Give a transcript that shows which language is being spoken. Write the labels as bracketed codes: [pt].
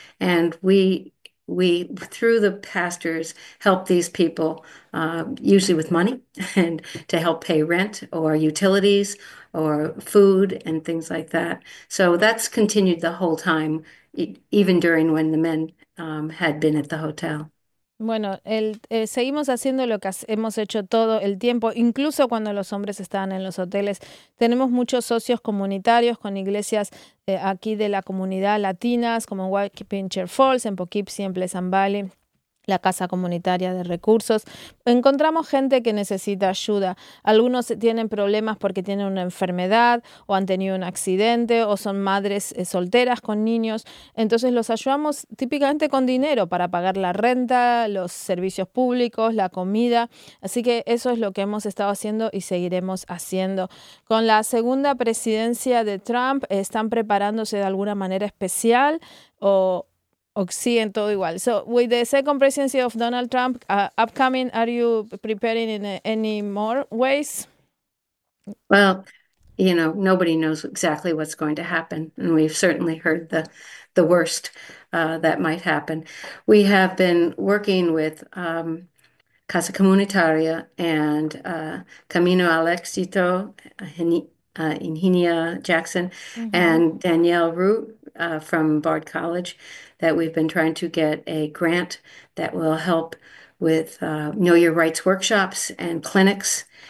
[en] And we through the pastors, help these people, usually with money and to help pay rent or utilities or food and things like that. So that's continued the whole time, even during when the men had been at the hotel. [es] Bueno, seguimos haciendo lo que hemos hecho todo el tiempo, incluso cuando los hombres estaban en los hoteles. Tenemos muchos socios comunitarios con iglesias aquí de la comunidad latinas, como en White Pincher Falls, en Poughkeepsie, en Pleasant Valley, la Casa Comunitaria de Recursos. Encontramos gente que necesita ayuda. Algunos tienen problemas porque tienen una enfermedad o han tenido un accidente o son madres solteras con niños. Entonces los ayudamos típicamente con dinero para pagar la renta, los servicios públicos, la comida. Así que eso es lo que hemos estado haciendo y seguiremos haciendo. Con la segunda presidencia de Trump, están preparándose de alguna manera especial o siguen todo igual. [en] So, with the second presidency of Donald Trump upcoming, are you preparing in any more ways? Well, nobody knows exactly what's going to happen, and we've certainly heard the worst that might happen. We have been working with Casa Comunitaria and Camino al Éxito, Ingenia Jackson, and Danielle Root from Bard College, that we've been trying to get a grant that will help with Know Your Rights workshops and clinics.